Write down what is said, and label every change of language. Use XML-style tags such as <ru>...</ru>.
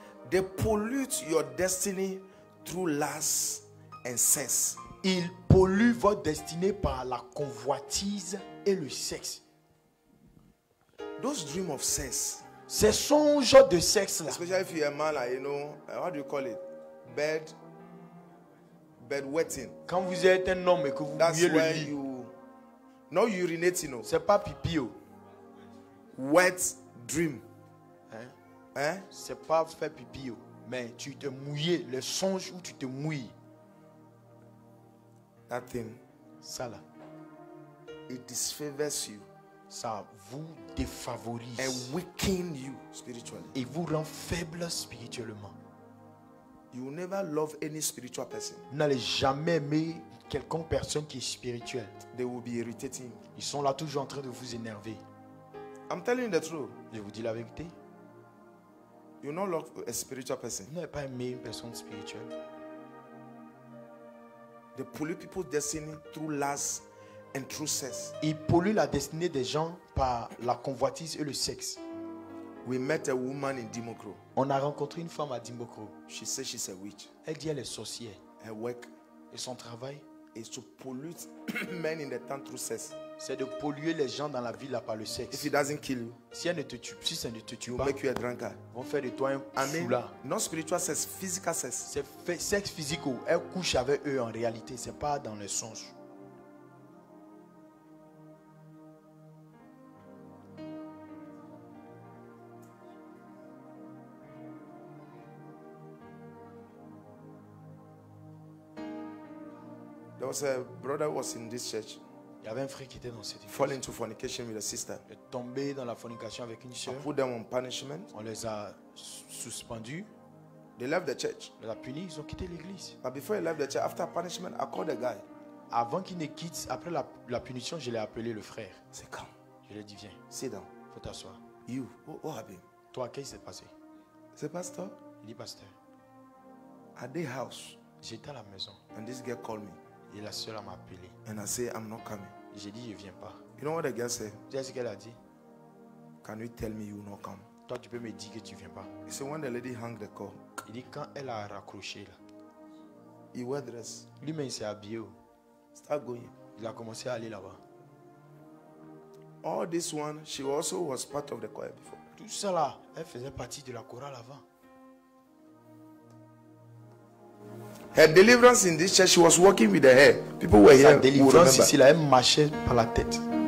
<en>They pollute your destiny through lust and sex.</en> <fr>Ils polluent votre destinée par la convoitise et le sexe.</fr> <en>Those dream of sex.</en> <fr>Ces songes de sexe là.</fr> <en>Especially if you're a man, like, you know, what do you call it? Bed. Bedwetting.</en> <fr>Quand vous êtes un homme et que vous mouillez le lit.</fr> <en>That's where you. Not urinate, you know.</en> <fr>C'est pas pipi.</fr> <en>Wet dream.</en> <fr>Hein? Hein? C'est pas faire pipi. Mais tu te mouilles, le songe où tu te mouilles.</fr> <en>That thing.</en> <fr>Ça là.</fr> <en>It disfavors you.</en> <fr>Ça vous défavorise.</fr> <en>And weaken you spiritually.</en> <fr>Et vous rend faible spirituellement.</fr> <en>You never love any spiritual person.</en> <fr>Vous n'allez jamais aimer quelconque personne qui est spirituelle.</fr> <en>They will be irritating.</en> <fr>Ils sont là toujours en train de vous énerver.</fr> <en>I'm telling the truth.</en> <fr>Je vous dis la vérité.</fr> <en>You don't love a spiritual person.</en> <fr>Vous n'avez pas aimé une personne spirituelle.</fr> <en>They pollute people's destiny through lust and through sex.</en> <fr>Ils polluent la destinée des gens par la convoitise et le sexe.</fr> <en>We met a woman in Dimokro.</en> <fr>On a rencontré une femme à Dimokro.</fr> <en>She says she's a witch.</en> <fr>Elle dit elle est sorcière.</fr> <en>Her work</en> <fr>et son travail</fr> <en>is to pollute men in the town through sex.</en> <fr>C'est de polluer les gens dans la ville là par le sexe.</fr> <en>If it doesn't kill you,</en> <fr>si elle ne te tue, si ça ne te tue pas,</fr> <en>we'll make you a drunkard.</en> <fr>Vont faire de toi un soula.</fr> <en>Non spiritual sex, physical sex.</en> <fr>C'est sexe physique. Elle couche avec eux en réalité. C'est pas dans les songes.</fr> <en>There was a brother was in this church.</en> <fr>Il y avait un frère qui était dans cette église.</fr> <en>Fall into fornication with a sister.</en> <fr>Est tombé dans la fornication avec une sœur.</fr> <en>I put them on punishment.</en> <fr>On les a suspendus.</fr> <en>They left the church.</en> <fr>Ils ont puni, ils ont quitté l'église.</fr> <en>But before he left the church, after punishment, I called the guy.</en> <fr>Avant qu'il ne quitte, après la punition, je l'ai appelé le frère. C'est quand? Je lui ai dit viens.</fr> <en>Sit down.</en> <fr>Faut t'asseoir.</fr> <en>You, what happened?</en> <fr>Toi, qu'est-ce qui s'est passé? C'est pasteur. Il dit pasteur.</fr> <en>At the house.</en> <fr>J'étais à la maison.</fr> <en>And this girl called me.</en> <fr>Et la sœur m'a appelé.</fr> <en>And I say I'm not coming.</en> <fr>J'ai dit je viens pas.</fr> <en>You know what the girl said?</en> <fr>Tu sais ce qu'elle a dit?</fr> <en>Can you tell me you not come?</en> <fr>Toi tu peux me dire que tu viens pas.</fr> <en>He said when the lady hung the call.</en> <fr>Il dit quand elle a raccroché là.</fr> <en>He wore dress.</en> <fr>Lui-même s'est habillé.</fr> <en>Start going.</en> <fr>Il a commencé à aller là-bas.</fr> <en>All this one, she also was part of the choir before.</en> <fr>Tout ça là, elle faisait partie de la chorale avant.</fr> <en>Her deliverance in this church, she was walking with her hair. People were here.</en> <fr>Sa délivrance ici, là, elle marchait par la tête.</fr>